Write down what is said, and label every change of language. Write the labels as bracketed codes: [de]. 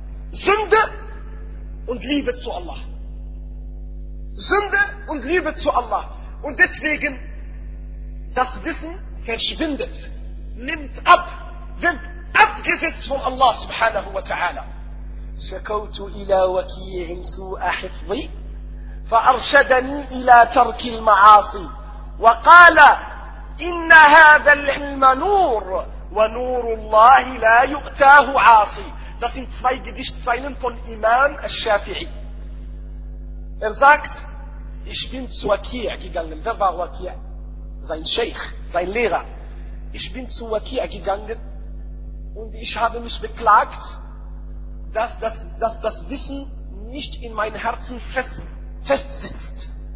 [de] Sünde und Liebe zu Allah. Sünde und Liebe zu Allah. Und deswegen, das Wissen verschwindet, nimmt ab, wird abgesetzt von Allah subhanahu wa ta'ala. [ar] شكوت إلى وكيعٍ سوء حفظي فأرشدني إلى ترك المعاصي وقال إن هذا الحلم نور ونور الله لا يؤتاه عاصي. [de] Das sind zwei Gedichtzeilen von Imam al-Shafi'i. Sagt, ich bin zu Waqi' gegangen. Wer war Waqi'? Sein Sheikh, sein Lehrer. Ich bin zu Waqi' gegangen und ich habe mich beklagt, dass das Wissen nicht in meinem Herzen fest sitzt.